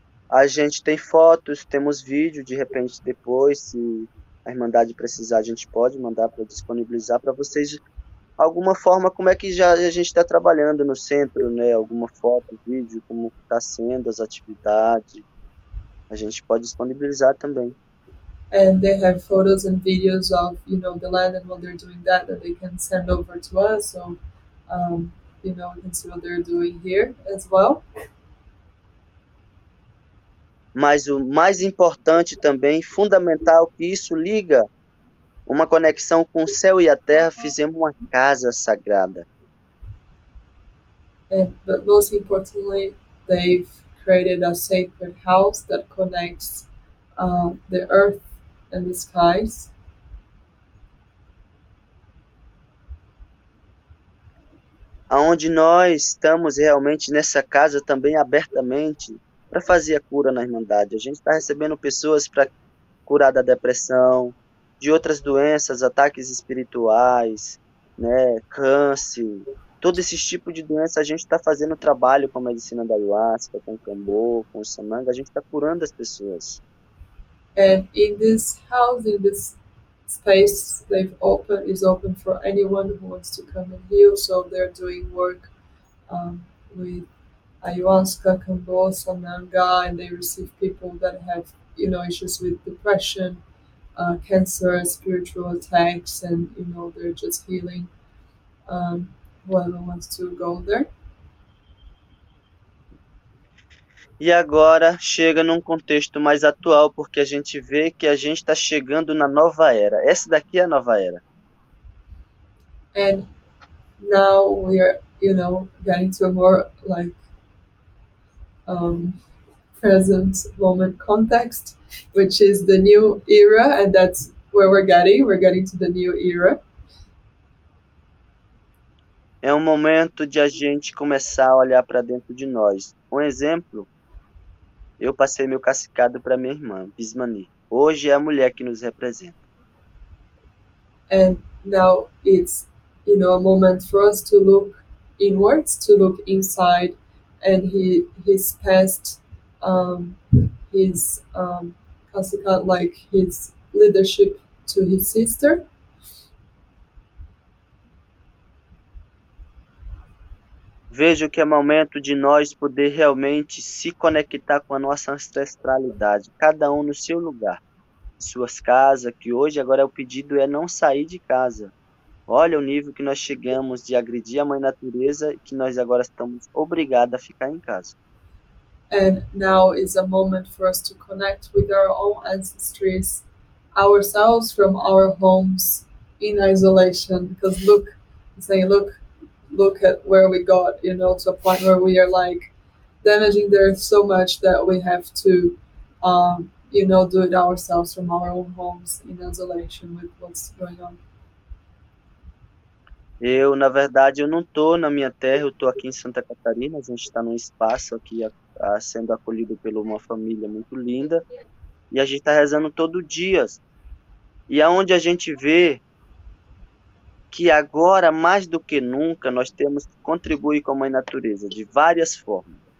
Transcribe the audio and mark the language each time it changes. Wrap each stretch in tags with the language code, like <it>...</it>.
<pt>A gente tem fotos, temos vídeo, de repente depois, se a Irmandade precisar, a gente pode mandar para disponibilizar para vocês alguma forma, como é que já a gente está trabalhando no centro, né? Alguma foto, vídeo, como está sendo as atividades, a gente pode disponibilizar também.</pt> <en>And they have photos and videos of, the land and what they're doing that they can send over to us, so, we can see what they're doing here as well.</en> <pt>Mas o mais importante também, fundamental, que isso liga uma conexão com o céu e a terra, fizemos uma casa sagrada.</pt> <en>But most importantly, they've created a sacred house that connects the earth and the skies.</en> <pt>Aonde nós estamos realmente nessa casa também abertamente, para fazer a cura na Irmandade. A gente está recebendo pessoas para curar da depressão, de outras doenças, ataques espirituais, né, câncer, todo esse tipo de doença. A gente está fazendo trabalho com a medicina da Ayahuasca, com o Cambô, com o Samanga, a gente está curando as pessoas.</pt> <en>And in this house, in this space, they've opened, is open for anyone who wants to come and heal, so they're doing work with Ayahuasca, Cambô, Samanga, and they receive people that have, issues with depression, cancer, spiritual attacks, and, they're just healing whoever wants to go there.</en> <pt>E agora chega num contexto mais atual, porque a gente vê que a gente está chegando na nova era. Essa daqui é a nova era.</pt> <en>And now we are, getting to a more, like, present moment context, which is the new era, and that's where we're getting to the new era.</en> <pt>É um momento de a gente começar a olhar para dentro de nós. Um exemplo, eu passei meu cacicado para minha irmã, Bismani. Hoje é a mulher que nos representa.</pt> <en>And now it's, a moment for us to look inwards, to look inside. And he's passed his leadership to his sister.</en> <pt>Vejo que é momento de nós poder realmente se conectar com a nossa ancestralidade, cada um no seu lugar, em suas casas, que hoje agora o pedido é não sair de casa. Olha o nível que nós chegamos de agredir a mãe natureza, que nós agora estamos obrigados a ficar em casa.</pt> <en>And now is a moment for us to connect with our own ancestries, ourselves from our homes in isolation. Because look, saying, look at where we got, you know, to a point where we are like damaging the earth so much that we have to, you know, do it ourselves from our own homes in isolation with what's going on.</en> <pt>Eu, na verdade, eu não tô na minha terra, eu tô aqui em Santa Catarina, a gente tá num espaço aqui sendo acolhido por uma família muito linda, e a gente tá rezando todo dia. E aonde a gente vê que agora, mais do que nunca, nós temos que contribuir com a Mãe Natureza, de várias formas.</pt>